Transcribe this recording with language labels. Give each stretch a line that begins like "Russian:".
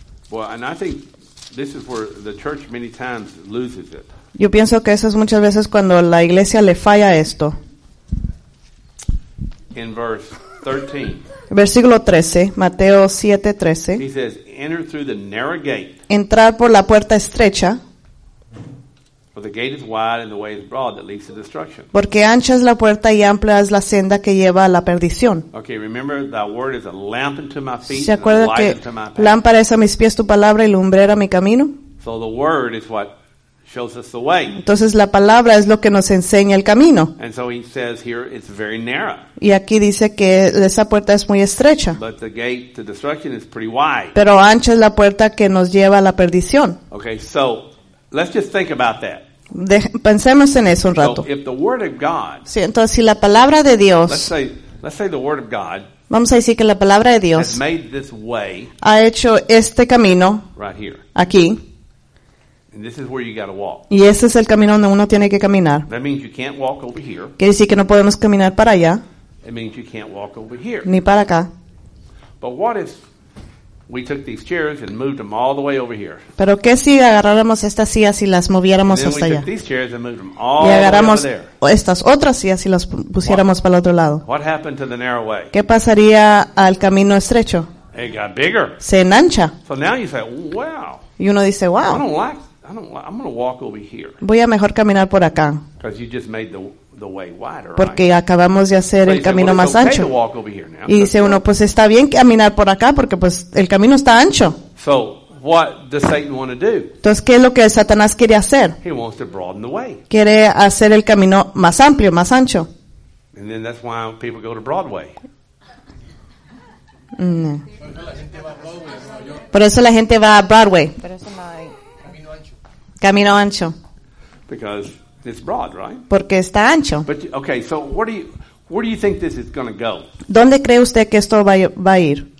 English: Well, and I think this is where the church many times loses it.
Spanish: Yo pienso que eso es muchas veces cuando la iglesia le falla esto.
English: In verse 13.
Spanish: Versículo 13, Mateo 7:13.
English: He says, enter through the narrow gate.
Spanish: Entrar por la puerta estrecha.
English: For the gate is wide and the way is broad that leads to destruction.
Spanish: Porque ancha es la puerta y amplia es la senda que lleva a la perdición.
English: Okay, remember that word is a lamp unto my feet.
Spanish: ¿Se acuerda que lámpara es a mis pies tu palabra y lumbrera a mi camino?
English: So the word is what shows us the way.
Spanish: Entonces la palabra es lo que nos enseña el camino.
English: And so he says here it's very narrow.
Spanish: Y aquí dice que esa puerta es muy estrecha.
English: But the gate to destruction is pretty wide.
Spanish: Pero ancha es la puerta que nos lleva a la perdición.
English: Okay, so let's just think about that.
Spanish: Pensemos en eso un rato.
English: So if the word of God,
Spanish: sí, entonces si la palabra de Dios,
English: let's say the word of God,
Spanish: vamos a decir que la palabra de Dios
English: has made this way,
Spanish: ha hecho este camino
English: right here,
Spanish: aquí.
English: And this is where you gotta walk.
Spanish: Y ese es el camino donde uno tiene que caminar.
English: That means you can't walk over here.
Spanish: Quiere decir que no podemos caminar para allá.
English: It means you can't walk over here.
Spanish: Ni para acá.
English: But what if we took these chairs and moved them all the way over here?
Spanish: Pero qué si agarráramos estas sillas y las moviéramos hasta allá.
English: These chairs and moved them all the way over there.
Spanish: Estas otras sillas y las pusiéramos para el otro lado.
English: What happened to the narrow way?
Spanish: ¿Qué pasaría al camino estrecho?
English: It got bigger.
Spanish: Se ensancha.
English: So now you say, wow.
Spanish: Y uno dice, wow.
English: I'm going to walk over here.
Spanish: Voy a mejor caminar por acá.
English: Because you just made the way wider.
Spanish: Porque
English: right?
Spanish: Acabamos de hacer
English: but
Spanish: el camino
English: said, well,
Spanish: más
English: okay
Spanish: ancho.
English: To walk over here now.
Spanish: Y dice uno, pues está bien caminar por acá porque pues el camino está ancho.
English: So what does Satan want to do?
Spanish: Entonces, ¿qué es lo que Satanás quiere hacer?
English: He wants to broaden the way.
Spanish: Quiere hacer el camino más amplio, más ancho.
English: And then that's why people go to Broadway.
Spanish: Por eso la gente va a Broadway. Camino ancho.
English: Because it's broad, right?
Spanish: Porque está ancho.
English: But okay, so where do you think this is going to go?
Spanish: ¿Dónde cree usted que esto va a ir?